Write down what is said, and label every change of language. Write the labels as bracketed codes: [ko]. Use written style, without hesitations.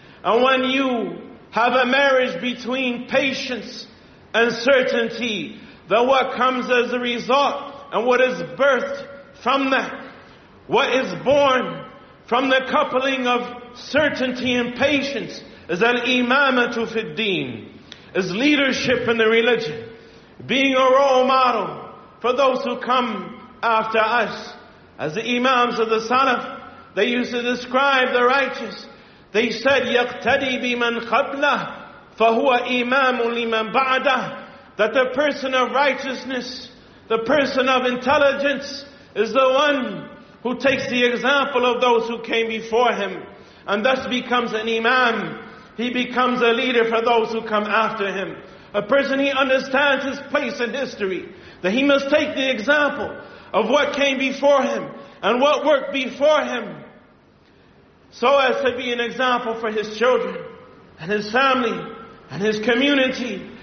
[en] And when you have a marriage between patience and certainty, then what comes as a result and what is birthed from that, what is born from the coupling of certainty and patience is al-imamatu fid-deen, is leadership in the religion, being a role model for those who come after us. As the imams of the Salaf, they used to describe the righteous. They said, [ar] يَقْتَدِي بِمَنْ قَبْلَهُ فَهُوَ إِمَامٌ لِمَنْ بَعْدَهُ. [en] That the person of righteousness, the person of intelligence, is the one who takes the example of those who came before him, and thus becomes an imam. He becomes a leader for those who come after him. A person, he understands his place in history, that he must take the example of what came before him, and what worked before him, so as to be an example for his children and his family and his community.